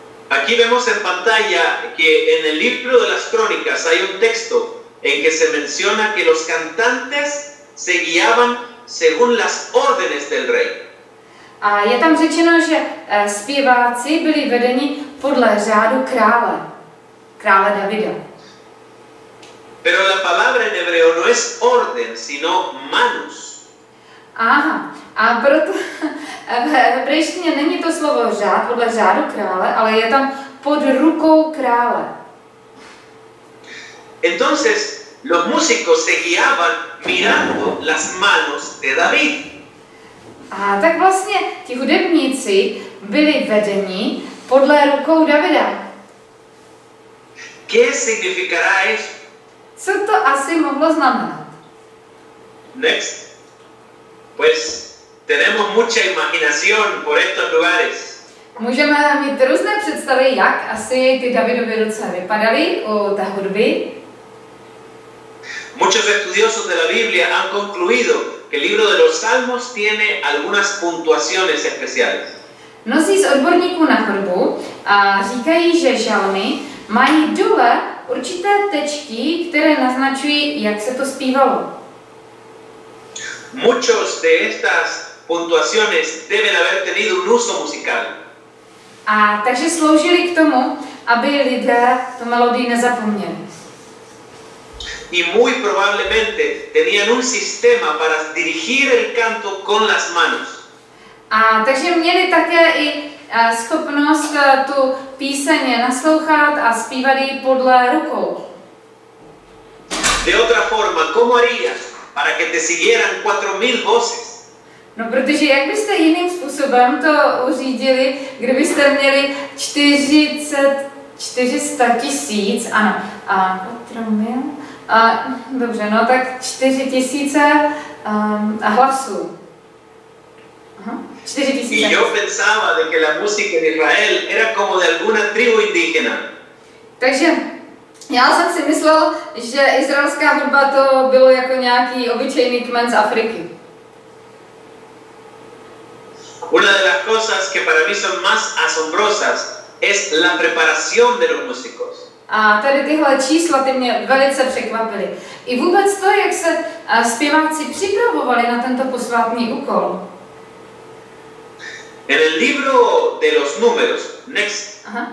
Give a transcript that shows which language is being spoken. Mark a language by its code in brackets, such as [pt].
[es] Aquí vemos en pantalla que en el libro de las crónicas hay un texto en que se menciona que los cantantes se guiaban según las órdenes del rey. [cs] A je tam řečeno, že zpěváci byli vedeni podle řádu krále, krále Davida. [es] Pero la palabra en hebreo no es orden, sino manus. [cs] Aha, a proto v hebrejštině není to slovo řád podle řádu krále, ale je tam pod rukou krále. [es] Entonces, los músicos se guiaban mirando las manos de David. [cs] A tak vlastně ti hudebníci byli vedeni podle rukou Davida. [es] ¿Qué significará eso? [cs] Co to asi mohlo znamenat? [en] Next. [es] Pues tenemos mucha imaginación por estos lugares. [cs] Můžeme mít různé představy, jak asi ty Davidovy ruce vypadaly u té hudby. [es] Muchos estudiosos de la Biblia han concluido que el libro de los Salmos tiene algunas puntuaciones especiales. [cs] Mnozí z odborníků na hudbu říkají, že žalmy mají dole určité tečky, které naznačují, jak se to zpívalo. [es] Muchos de estas puntuaciones deben haber tenido un uso musical. [cs] A takže sloužili k tomu, aby lidé tu melodii nezapomněli. [es] Y muy probablemente tenían un sistema para dirigir el canto con las manos. [cs] A takže měli také i schopnost tu píseň naslouchat a zpívat ji podle rukou. [es] De otra forma, ¿cómo harías para que te siguieran 4000 voces? [cs] No, protože jak byste jiným způsobem to uřídili, kdybyste měli 400 000, ano, 4000, dobře, no tak 4000 hlasů. [es] Y yo pensaba de que la música de Israel era como de alguna tribu indígena. [cs] Takže já jsem si myslel, že izraelská hudba to bylo jako nějaký obyčejný kmen z Afriky. [es] Una de las cosas que para mí son más asombrosas es la preparación de los músicos. [cs] A tady tyhle čísla ty mě velice překvapily. I vůbec to, jak se zpěváci připravovali na tento posvátný úkol. [es] En el libro de los números, next.